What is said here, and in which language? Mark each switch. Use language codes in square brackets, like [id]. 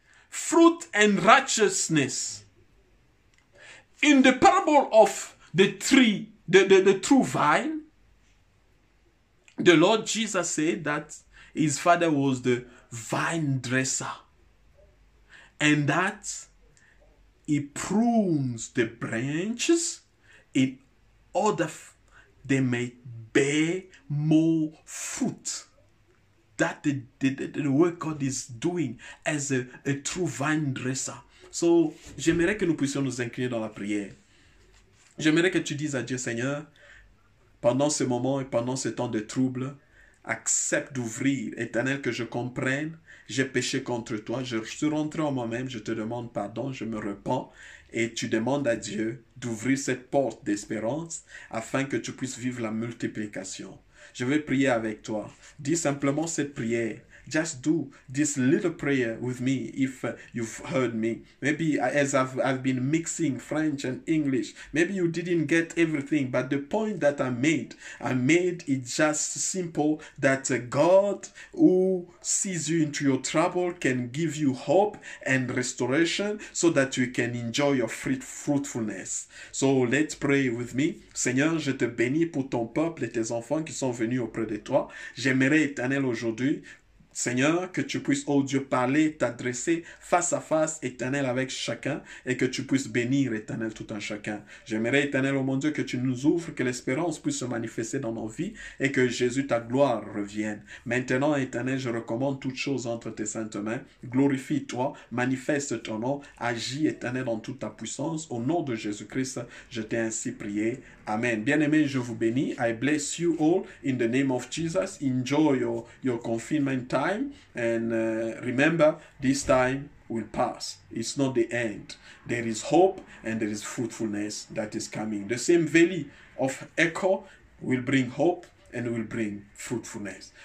[en] Fruit and righteousness. In the parable of the tree, the true vine, the Lord Jesus said that his father was the vine dresser, and that he prunes the branches in order they may bear more fruit. That the work God is doing as a true vine dresser. [fr] So, j'aimerais que nous puissions nous incliner dans la prière. J'aimerais que tu dises à Dieu, Seigneur, pendant ce moment et pendant ce temps de trouble, accepte d'ouvrir, Éternel, que je comprenne, j'ai péché contre toi, je suis rentré en moi-même, je te demande pardon, je me repens, et tu demandes à Dieu d'ouvrir cette porte d'espérance afin que tu puisses vivre la multiplication. Je vais prier avec toi. Dis simplement cette prière. [en] Just do this little prayer with me if you've heard me. Maybe as I've been mixing French and English, maybe you didn't get everything. But the point that I made it just simple that God who sees you into your trouble can give you hope and restoration so that you can enjoy your fruitfulness. So let's pray with me. [fr] Seigneur, je te bénis pour ton peuple et tes enfants qui sont venus auprès de toi. J'aimerais, Éternel, aujourd'hui, Seigneur, que tu puisses, oh Dieu, parler, t'adresser face à face, éternel, avec chacun, et que tu puisses bénir, éternel, tout un chacun. J'aimerais, éternel, oh mon Dieu, que tu nous ouvres, que l'espérance puisse se manifester dans nos vies, et que Jésus, ta gloire, revienne. Maintenant, éternel, je recommande toutes choses entre tes saintes mains. Glorifie-toi, manifeste ton nom, agis, éternel, en toute ta puissance. Au nom de Jésus-Christ, je t'ai ainsi prié. Amen. Bien-aimé, je vous bénis. [en] I bless you all in the name of Jesus. Enjoy your confinement time. And remember, this time will pass. It's not the end. There is hope and there is fruitfulness that is coming. The same valley of echo will bring hope and will bring fruitfulness.